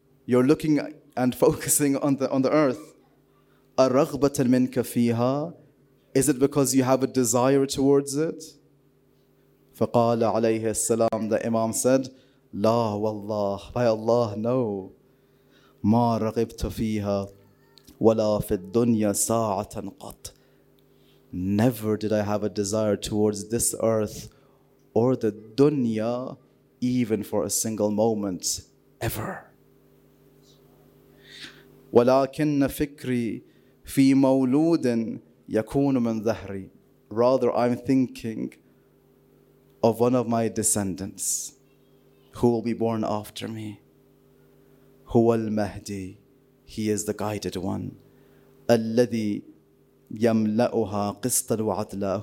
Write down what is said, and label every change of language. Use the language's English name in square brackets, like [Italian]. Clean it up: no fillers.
[English] You're looking and focusing on the earth. [Arabic] أَرَغْبَةً مِنْكَ فِيهَا. [English] Is it because you have a desire towards it? [Arabic] فَقَالَ عَلَيْهِ السَّلَامِ. [English] The Imam said, [Arabic] لا والله, [English] by Allah, no. [Arabic] ما رغبت فيها ولا في الدنيا ساعة قط. [English] Never did I have a desire towards this earth or the dunya even for a single moment, ever. [Arabic] ولكن فكري في مولود يكون من ذهري. [English] Rather, I'm thinking of one of my descendants. Who will be born after me? [Arabic] Huwa al-Mahdi. [English] He is the guided one. [Arabic] Alladhi yamla'uha qistan wa 'adla.